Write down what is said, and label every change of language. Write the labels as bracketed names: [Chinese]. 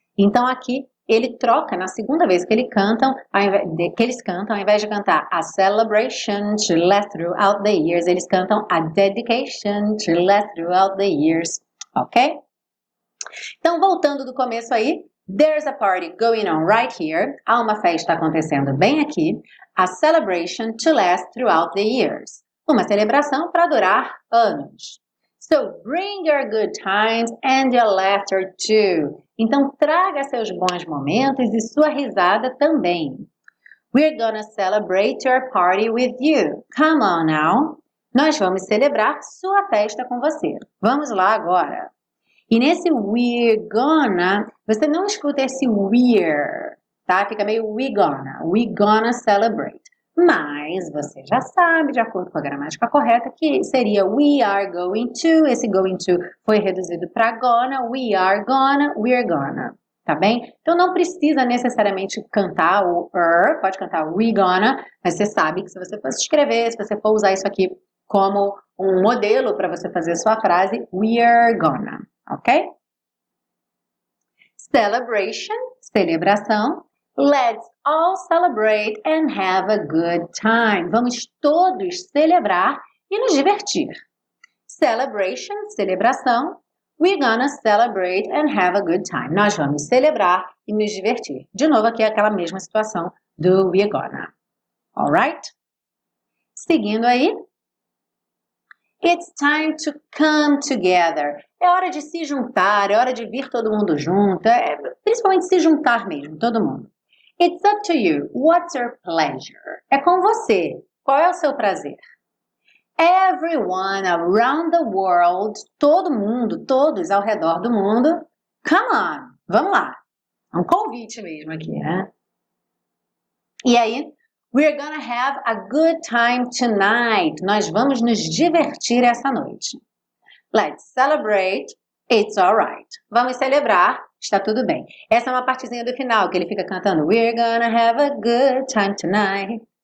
[Portuguese] Então aqui ele troca na segunda vez que eles cantam, ao invés de cantar [English] a celebration to last throughout the years, [Portuguese] eles cantam [English] a dedication to last throughout the years, [Portuguese] ok? Então, voltando do começo aí, [English] there's a party going on right here. [Portuguese] Há uma festa acontecendo bem aqui. [English] A celebration to last throughout the years. [Portuguese] Uma celebração para durar anos. [English] So bring your good times and your laughter too. [Portuguese] Então traga seus bons momentos e sua risada também. [English] We're gonna celebrate your party with you. Come on now. [Portuguese] Nós vamos celebrar sua festa com você. Vamos lá agora. E nesse [English] we're gonna, [Portuguese] você não escuta esse we're, tá? Fica meio [English] we gonna celebrate. [Portuguese] Mas você já sabe, de acordo com a gramática correta, que seria [English] we are going to. [Portuguese] Esse going to foi reduzido para gonna. [English] We are gonna, we are gonna. [Portuguese] Tá bem? Então não precisa necessariamente cantar o pode cantar [English] we gonna, [Portuguese] mas você sabe que se você for escrever, se você for usar isso aqui como um modelo para você fazer a sua frase, [English] we are gonna. [Portuguese] Ok? Celebration, celebração. [English] Let's all celebrate and have a good time. [Portuguese] Vamos todos celebrar e nos divertir. Celebration, celebração. [English] We're gonna celebrate and have a good time. [Portuguese] Nós vamos celebrar e nos divertir. De novo, aqui é aquela mesma situação do [English] we're gonna. [Portuguese] Alright? Seguindo aí. [English] It's time to come together. [Portuguese] É hora de se juntar, é hora de vir todo mundo junto. É principalmente se juntar mesmo, todo mundo. [English] It's up to you. What's your pleasure? [Portuguese] É com você. Qual é o seu prazer? [English] Everyone around the world, [Portuguese] todo mundo, todos ao redor do mundo, [English] come on, [Portuguese] vamos lá. É um convite mesmo aqui, né? E aí, [English] we're gonna have a good time tonight. [Portuguese] Nós vamos nos divertir essa noite. [English] Let's celebrate. It's all right. [Portuguese] Vamos celebrar. Está tudo bem. Essa é uma partezinha do final que ele fica cantando. [English] We're gonna have a good time tonight.